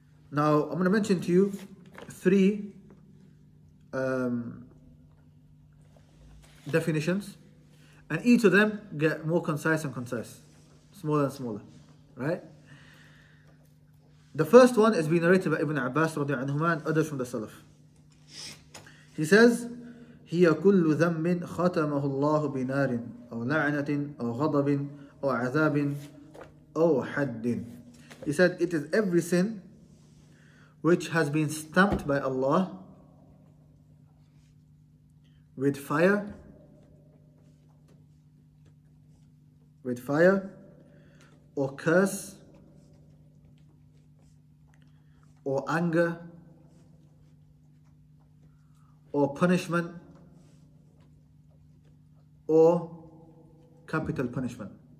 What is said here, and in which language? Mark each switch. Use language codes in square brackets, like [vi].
[en] Now, I'm going to mention to you three definitions, and each of them get more concise and concise, smaller and smaller, right? The first one is being narrated by Ibn Abbas radiallahu anhuma and others from the Salaf. He says, [ar] هي كل ذنب ختمه الله بنار أو لعنة أو غضب أو عذاب أو حد. [en] He said, it is every sin which has been stamped by Allah with fire or curse or anger or punishment or capital punishment.